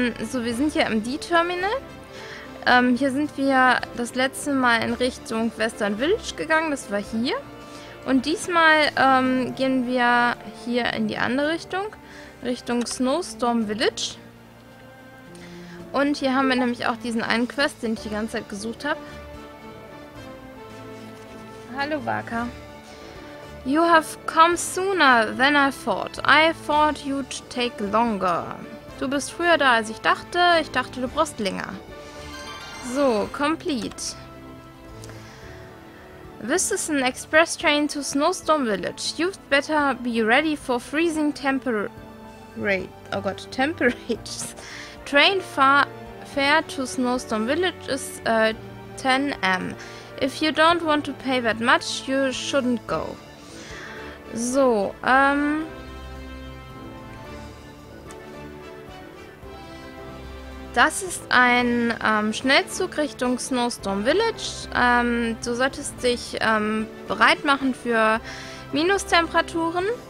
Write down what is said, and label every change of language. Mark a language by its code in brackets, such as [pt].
[de] So, wir sind hier im D-Terminal. Hier sind wir das letzte Mal in Richtung Western Village gegangen, das war hier. Und diesmal gehen wir hier in die andere Richtung, Richtung Snowstorm Village. Und hier haben wir nämlich auch diesen einen Quest, den ich die ganze Zeit gesucht habe. Hallo, Barker. [en] You have come sooner than I thought you'd take longer. [de] Du bist früher da, als ich dachte. Ich dachte, du brauchst länger. So, complete. [en] This is an express train to Snowstorm Village. You'd better be ready for freezing temperatures. Train fare to Snowstorm Village is 10 a.m. If you don't want to pay that much, you shouldn't go. [de] So, das ist ein Schnellzug Richtung Snowstorm Village. Du solltest dich bereit machen für Minustemperaturen.